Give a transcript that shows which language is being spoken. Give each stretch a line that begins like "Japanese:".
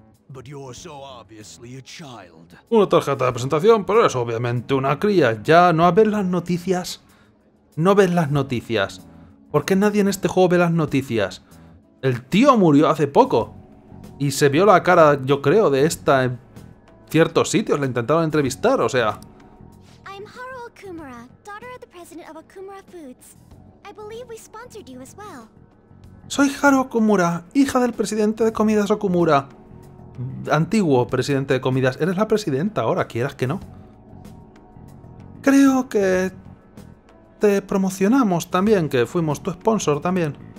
English: But you're so obviously a child.
Spanish: Una tarjeta de presentación, pero eres obviamente una cría. Ya, ¿no ves las noticias? No ves las noticias. ¿Por qué nadie en este juego ve las noticias? El tío murió hace poco. Y se vio la cara, yo creo, de esta en ciertos sitios. La intentaron entrevistar, o sea...
English: I'm Haru Okumura, daughter of the president of Okumura Foods. I believe we sponsored you as well.
Spanish: Soy Haru Okumura, hija del presidente de comidas Okumura. Antiguo presidente de comidas. Eres la presidenta ahora, quieras que no. Creo que... te promocionamos también, que fuimos tu sponsor también.